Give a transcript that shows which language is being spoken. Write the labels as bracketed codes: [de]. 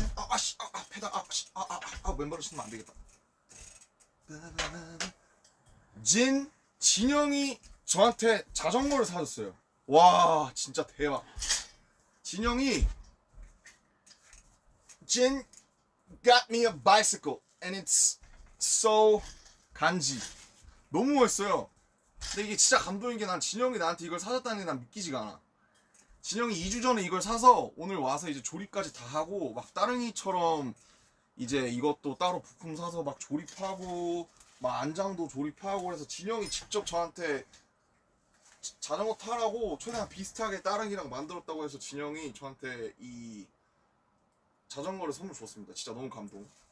[ko] 아씨, 패다, 아씨, 멤버를 신으면 안 되겠다. 진영이 저한테 자전거를 사줬어요. 와, 진짜 대박. [en] 진 got me a bicycle and it's so 간지. [ko] 너무 멋있어요. 근데 이게 진짜 감동인 게, 난 진영이 나한테 이걸 사줬다는 게난 믿기지가 않아. 진영이 2주 전에 이걸 사서 오늘 와서 이제 조립까지 다 하고 막 따릉이처럼 이제 이것도 따로 부품 사서 막 조립하고 막 안장도 조립하고 그래서 진영이 직접 저한테 자전거 타라고 최대한 비슷하게 따릉이랑 만들었다고 해서 진영이 저한테 이 자전거를 선물 줬습니다. 진짜 너무 감동.